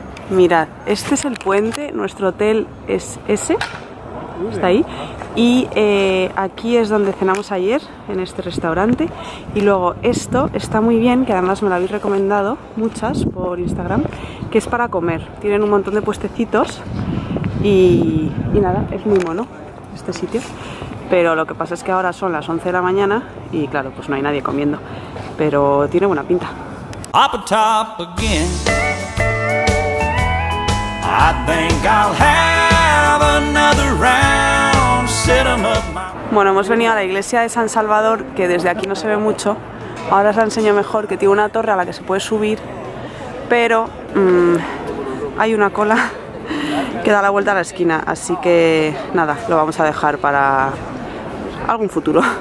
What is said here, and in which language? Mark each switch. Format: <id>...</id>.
<es>Mirad, este es el puente, nuestro hotel es ese, está ahí, y aquí es donde cenamos ayer, en este restaurante, y luego esto está muy bien, que además me lo habéis recomendado muchas por Instagram, que es para comer, tienen un montón de puestecitos, y nada, es muy mono este sitio, pero lo que pasa es que ahora son las 11 de la mañana, y claro, pues no hay nadie comiendo, pero tiene buena pinta.</es> <en>Up top again. I think I'll have another round. Set 'em up my...</en> <es>Bueno, hemos venido a la iglesia de San Salvador, que desde aquí no se ve mucho. Ahora os la enseño mejor, que tiene una torre a la que se puede subir, pero hay una cola que da la vuelta a la esquina, así que nada, lo vamos a dejar para algún futuro.</es>